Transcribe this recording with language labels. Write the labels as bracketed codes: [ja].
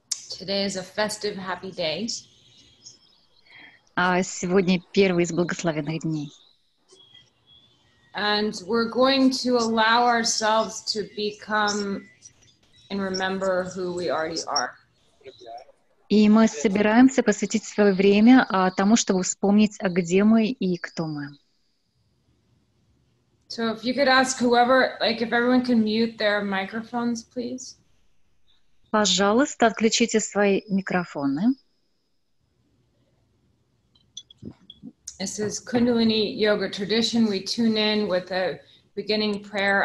[en] Today is a festive, happy day. [ru] А сегодня первый из благословенных дней. [en] And we're going to allow ourselves to become and remember who we already are. [ru] И мы собираемся посвятить свое время тому, чтобы вспомнить, а где мы и кто мы. [en] So if you could ask whoever, like if everyone can mute their microphones, please. [ru] Пожалуйста, отключите свои микрофоны. [en] This is Kundalini Yoga tradition. We tune in with a beginning prayer.